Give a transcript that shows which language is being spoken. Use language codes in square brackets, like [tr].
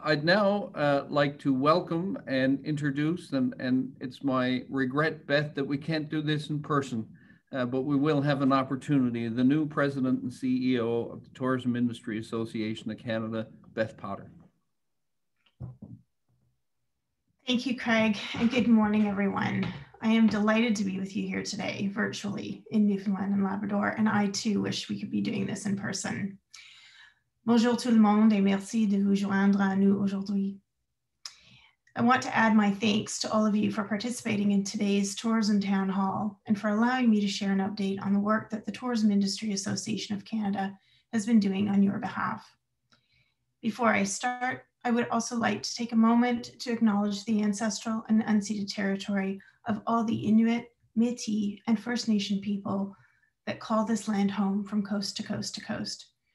[en] I'd now like to welcome and introduce, and it's my regret, Beth, that we can't do this in person, but we will have an opportunity, the new president and CEO of the Tourism Industry Association of Canada, Beth Potter. Thank you, Craig, and good morning, everyone. I am delighted to be with you here today, virtually, in Newfoundland and Labrador, and I, too, wish we could be doing this in person. [fr] Bonjour tout le monde et merci de vous joindre à nous aujourd'hui. [en] I want to add my thanks to all of you for participating in today's Tourism Town Hall and for allowing me to share an update on the work that the Tourism Industry Association of Canada has been doing on your behalf. Before I start, I would also like to take a moment to acknowledge the ancestral and unceded territory of all the Inuit, Métis, and First Nation people that call this land home from coast to coast to coast.